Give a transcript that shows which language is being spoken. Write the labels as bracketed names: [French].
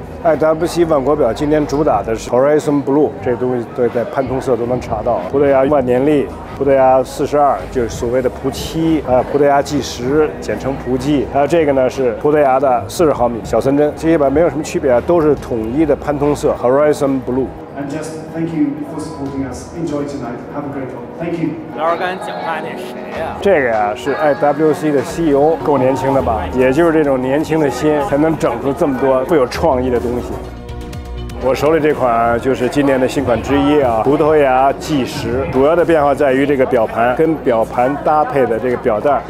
[Chinese] IWC 万国表今天主打的是 Horizon Blue， 这东西对在潘通色都能查到。葡萄牙万年历、葡萄牙42，就是所谓的葡七，葡萄牙计时，简称葡计。还有这个呢是葡萄牙的40毫米小三针，这些表没有什么区别，都是统一的潘通色 Horizon Blue。 [English] And just thank you for supporting us. Enjoy tonight. Have a great one. Thank you. [Chinese] 老二刚才讲话那谁啊？这个呀、是 IWC 的 CEO， 够年轻的吧？也就是这种年轻的心，才能整出这么多富有创意的东西。我手里这款就是今年的新款之一啊，葡萄牙计时。主要的变化在于这个表盘跟表盘搭配的这个表带。